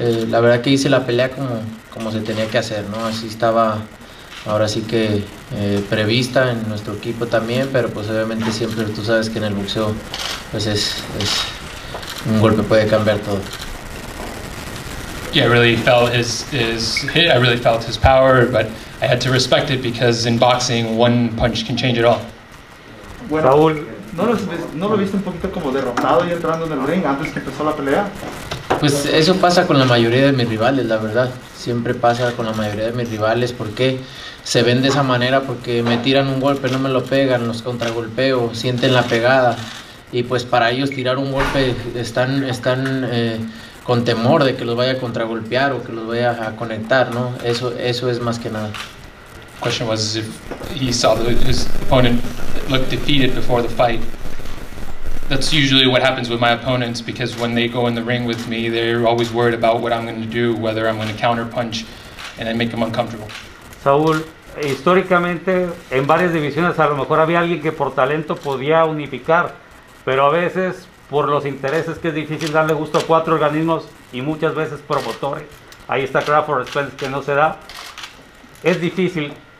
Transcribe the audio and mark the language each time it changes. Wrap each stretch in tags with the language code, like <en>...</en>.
<es>La verdad que hice la pelea como se tenía que hacer, ¿no? Así estaba ahora sí que prevista en nuestro equipo también, pero pues obviamente siempre tú sabes que en el boxeo pues es un golpe puede cambiar todo.</es> <en>Yeah, I really felt his hit. I really felt his power, but I had to respect it because in boxing, one punch can change it all.</en> <es>Bueno, Saul, ¿no lo viste un poquito como derrotado y entrando en el ring antes que empezó la pelea? Pues eso pasa con la mayoría de mis rivales, la verdad. Siempre pasa con la mayoría de mis rivales. ¿Por qué? Se ven de esa manera porque me tiran un golpe, no me lo pegan, los contragolpeo, sienten la pegada. Y pues para ellos tirar un golpe están con temor de que los vaya a contragolpear o que los vaya a conectar, ¿no? Eso es más que nada.</es> <en>Question was if he saw his opponent look defeated before the fight. That's usually what happens with my opponents because when they go in the ring with me, they're always worried about what I'm going to do, whether I'm going to counterpunch, and I make them uncomfortable.</en> <es>Saúl, históricamente en varias divisiones a lo mejor había alguien que por talento podía unificar, pero a veces por los intereses que es difícil darle gusto a cuatro organismos y muchas veces promotores. Ahí está Crawford Spence que no se da. Es difícil.</es>